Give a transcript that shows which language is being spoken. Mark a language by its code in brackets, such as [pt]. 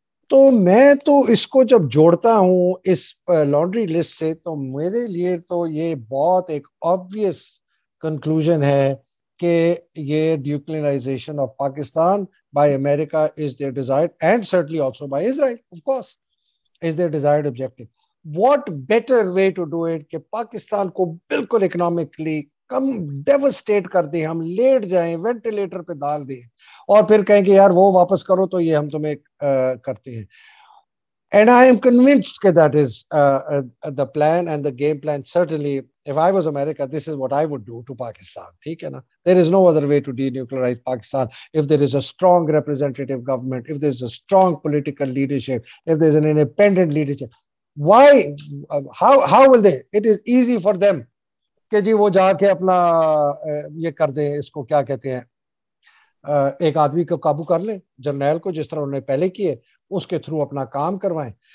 [ur] تو میں تو اس کو جب جوڑتا ہوں اس لانڈری لسٹ سے, تو میرے لیے تو یہ بہت ایک [en] obvious conclusion [ur] ہے کہ یہ [en] Denuclearisation of Pakistan by America is their desired, and certainly also by Israel of course is their desired objective. What better way to do it [ur] کہ پاکستان کو بالکل اکنامکلی کم ڈیوسٹیٹ کر دیں, ہم لیٹ جائیں, وینٹیلیٹر پہ ڈال دیں, اور پھر کہیں کہ یار وہ واپس کرو تو یہ ہم تمہیں کرتے ہیں. [en] And I am convinced کہ that is the plan and the game plan. Certainly if I was America this is what I would do to Pakistan. [ur] ٹھیک ہے نا, [en] There is no other way to denuclearise Pakistan. If there is a strong representative government, if there is a strong political leadership, if there is an independent leadership, why how will they, it is easy for them [ur] کہ جی وہ جا کے اپنا یہ کر دیں, اس کو کیا کہتے ہیں, ایک آدمی کو قابو کر لیں, جرنیل کو, جس طرح انہوں نے پہلے کیے, اس کے تھرو اپنا کام کروائیں.